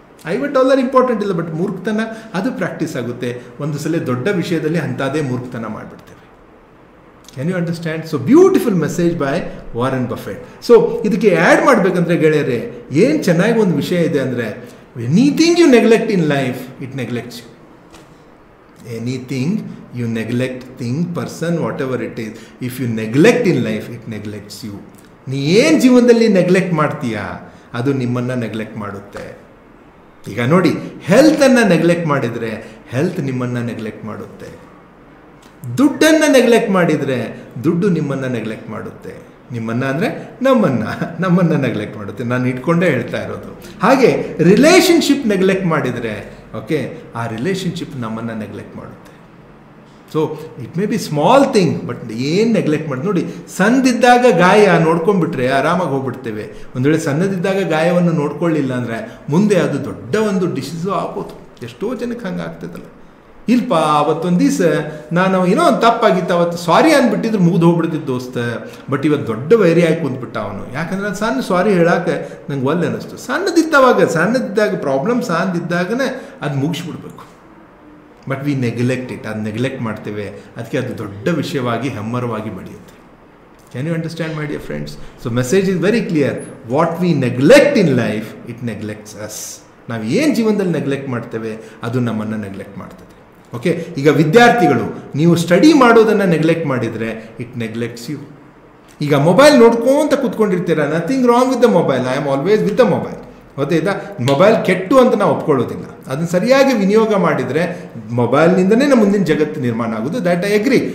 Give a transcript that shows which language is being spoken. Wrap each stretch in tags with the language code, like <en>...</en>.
<kn>$50 important ಇಲ್ಲ, but ಮೂರ್ಖತನ ಅದು ಪ್ರಾಕ್ಟೀಸ್ ಆಗುತ್ತೆ. ಒಂದು ಸಲ ದೊಡ್ಡ ವಿಷಯದಲ್ಲಿ ಅಂಥದೇ ಮೂರ್ಖತನ ಮಾಡಿಬಿಡ್ತೇವೆ.</kn> <en>Can you understand? So beautiful message by Warren Buffett. So</en> <kn>ಇದಕ್ಕೆ ಆ್ಯಡ್ ಮಾಡಬೇಕಂದ್ರೆ ಗೆಳೆಯರೆ, ಏನು ಚೆನ್ನಾಗಿ ಒಂದು ವಿಷಯ ಇದೆ ಅಂದರೆ,</kn> <en>Anything you neglect in life it neglects you. Anything you neglect, thing, person, whatever it is, if you neglect in life, it neglects you.</en> <kn>ನೀ ಏನು ಜೀವನದಲ್ಲಿ ನೆಗ್ಲೆಕ್ಟ್ ಮಾಡ್ತೀಯಾ ಅದು ನಿಮ್ಮನ್ನು ನೆಗ್ಲೆಕ್ಟ್ ಮಾಡುತ್ತೆ. ಈಗ ನೋಡಿ, ಹೆಲ್ತನ್ನು ನೆಗ್ಲೆಕ್ಟ್ ಮಾಡಿದರೆ ಹೆಲ್ತ್ ನಿಮ್ಮನ್ನು ನೆಗ್ಲೆಕ್ಟ್ ಮಾಡುತ್ತೆ. ದುಡ್ಡನ್ನು ನೆಗ್ಲೆಕ್ಟ್ ಮಾಡಿದರೆ ದುಡ್ಡು ನಿಮ್ಮನ್ನು ನೆಗ್ಲೆಕ್ಟ್ ಮಾಡುತ್ತೆ. ನಿಮ್ಮನ್ನು ಅಂದರೆ ನಮ್ಮನ್ನು ನೆಗ್ಲೆಕ್ಟ್ ಮಾಡುತ್ತೆ. ನಾನು ಇಟ್ಕೊಂಡೇ ಹೇಳ್ತಾ ಇರೋದು. ಹಾಗೆ ರಿಲೇಷನ್ಶಿಪ್ ನೆಗ್ಲೆಕ್ಟ್ ಮಾಡಿದರೆ, ಓಕೆ, ಆ ರಿಲೇಷನ್ಶಿಪ್ ನಮ್ಮನ್ನು ನೆಗ್ಲೆಕ್ಟ್ ಮಾಡುತ್ತೆ.</kn> <en>so it may be small thing,</en> <kn>but ಏನು ನೆಗ್ಲೆಕ್ಟ್ ಮಾಡಿ ನೋಡಿ, ಸಣ್ಣದಿದ್ದಾಗ ಗಾಯ ನೋಡ್ಕೊಂಡ್ಬಿಟ್ರೆ ಆರಾಮಾಗಿ ಹೋಗ್ಬಿಡ್ತೇವೆ. ಒಂದೊಳ್ಳೆ ಸಣ್ಣದಿದ್ದಾಗ ಗಾಯವನ್ನು ನೋಡ್ಕೊಳ್ಳಿಲ್ಲ ಅಂದರೆ ಮುಂದೆ ಅದು ದೊಡ್ಡ ಒಂದು ಡಿಸೀಸು ಆಗ್ಬೋದು. ಎಷ್ಟೋ ಜನಕ್ಕೆ ಹಂಗೆ ಆಗ್ತದಲ್ಲ, ಇಲ್ಲಪ್ಪ ಅವತ್ತೊಂದು ದಿವಸ ನಾನು ಏನೋ ಒಂದು ತಪ್ಪಾಗಿತ್ತು, ಅವತ್ತು ಸಾರಿ ಅಂದ್ಬಿಟ್ಟಿದ್ರು ಮುಗಿದು ಹೋಗ್ಬಿಡ್ತಿದ್ದು ದೋಸ್ತ, ಬಟ್ ಇವತ್ತು ದೊಡ್ಡ ವೈರಿ ಆಗಿ ಕುಂದ್ಬಿಟ್ಟ ಅವನು. ಯಾಕಂದ್ರೆ ಸಣ್ಣ ಸಾರಿ ಹೇಳಕ್ಕೆ ನಂಗೆ ಒಲ್ಲೆ ಅನ್ನಿಸ್ತು. ಸಣ್ಣದಿದ್ದಾಗ ಪ್ರಾಬ್ಲಮ್ ಸಣ್ಣದಿದ್ದಾಗನೇ ಅದು ಮುಗಿಸ್ಬಿಡ್ಬೇಕು,</kn> <en>but we neglect it,</en> <kn>ಅದು ನೆಗ್ಲೆಕ್ಟ್ ಮಾಡ್ತೇವೆ. ಅದಕ್ಕೆ ಅದು ದೊಡ್ಡ ವಿಷಯವಾಗಿ ಹೆಮ್ಮರವಾಗಿ ಬೆಳೆಯುತ್ತೆ.</kn> <en>Can you understand, my dear friends? So message is very clear. What we neglect in life, it neglects us.</en> <kn>ನಾವು ಏನು ಜೀವನದಲ್ಲಿ ನೆಗ್ಲೆಕ್ಟ್ ಮಾಡ್ತೇವೆ ಅದು ನಮ್ಮನ್ನು ನೆಗ್ಲೆಕ್ಟ್ ಮಾಡ್ತದೆ. ಓಕೆ, ಈಗ ವಿದ್ಯಾರ್ಥಿಗಳು ನೀವು ಸ್ಟಡಿ ಮಾಡೋದನ್ನು ನೆಗ್ಲೆಕ್ಟ್ ಮಾಡಿದರೆ</kn> <en>It neglects you.</en> <kn>ಈಗ ಮೊಬೈಲ್ ನೋಡ್ಕೊಂತ ಕೂತ್ಕೊಂಡಿರ್ತೀರ,</kn> <en>Nothing wrong with the mobile, I am always with the mobile.</en> <kn>ಗೊತ್ತಾಯ್ತಾ, ಮೊಬೈಲ್ ಕೆಟ್ಟು ಅಂತ ನಾವು ಒಪ್ಕೊಳ್ಳೋದಿಲ್ಲ, ಅದನ್ನು ಸರಿಯಾಗಿ ವಿನಿಯೋಗ ಮಾಡಿದರೆ ಮೊಬೈಲ್ನಿಂದನೇ ನಮ್ಮ ಮುಂದಿನ ಜಗತ್ತು ನಿರ್ಮಾಣ ಆಗೋದು,</kn> <en>That I agree.</en>